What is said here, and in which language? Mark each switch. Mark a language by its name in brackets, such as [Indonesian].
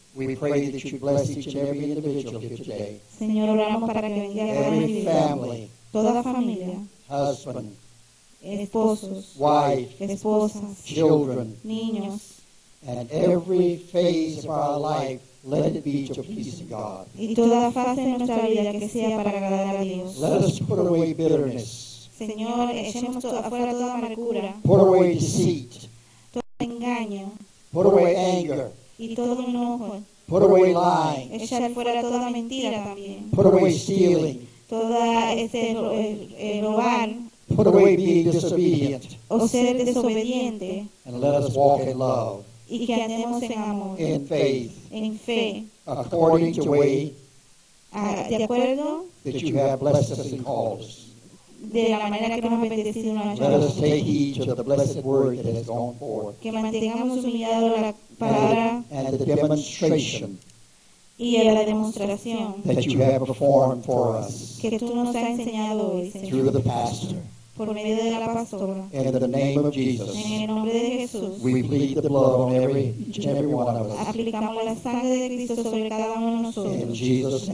[English] We pray that you bless each and every individual here today. [Spanish] Señor, oramos para que bendiga cada individuo. [English] Every family. [Spanish] Toda familia. [English] Husband. [Spanish] Esposos, [English] wife, [Spanish] esposas, [English] children, [Spanish] niños, [English] and every phase of our life, let it be to please God. [Spanish] Y toda fase de nuestra vida que sea para agradar a Dios. [English] Let us put away bitterness. [Spanish] Señor, echemos afuera toda amargura. [English] Put away deceit. [Spanish] Todo engaño. [English] Put away anger. [Spanish] Y todo enojo. [English] Put away lying. [Spanish] Echar fuera toda mentira también. [English] Put away stealing. [Spanish] Toda robar. [English] Put away being disobedient. [Spanish] O ser desobediente. [English] And let us walk in love. [Spanish] Y que andemos en amor. [English] In faith. [Spanish] En fe. [English] According to way. [Spanish] De acuerdo. [English] That you have blessed us and called us. [Spanish] De la manera que nos ha bendecido nuestra vida. [English] Let us take heed to the blessed word that has gone forth. [Spanish] Que mantengamos humillado la palabra. [English] And the demonstration. [Spanish] Y a la demostración. [English] That you have performed for us. [Spanish] Que tú nos has enseñado hoy, Señor. [English] Through the pastor. In the name of Jesus, we plead the blood on every one of us. In Jesus' name.